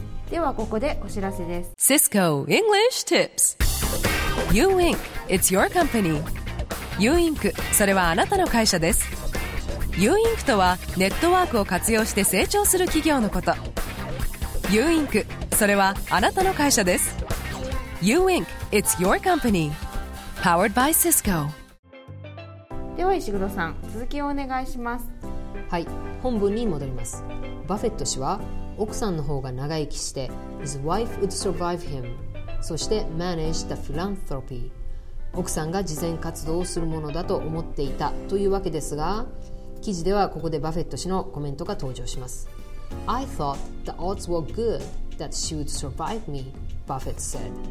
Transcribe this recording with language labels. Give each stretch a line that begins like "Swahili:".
Japanese: ではここでお知らせです。
English: Cisco English Tips。 U-Inc. It's your company。 U-Inc.
Japanese: それはあなたの会社です。U-Inc とはネットワークを活用して成長する企業のこと。 U-Inc それはあなたの会社です。
English: U-Inc It's your company Powered by Cisco。
Japanese: では石黒さん、続きをお願いします。はい、本文に戻ります。バフェット氏は奥さんの方が長生きして
English: His wife would survive him
Japanese: そして
English: manage the philanthropy
Japanese: 奥さんが慈善活動をするものだと思っていたというわけですが記事ではここでバフェット氏のコメントが登場します
English: I thought the odds were good that she would survive me Buffett said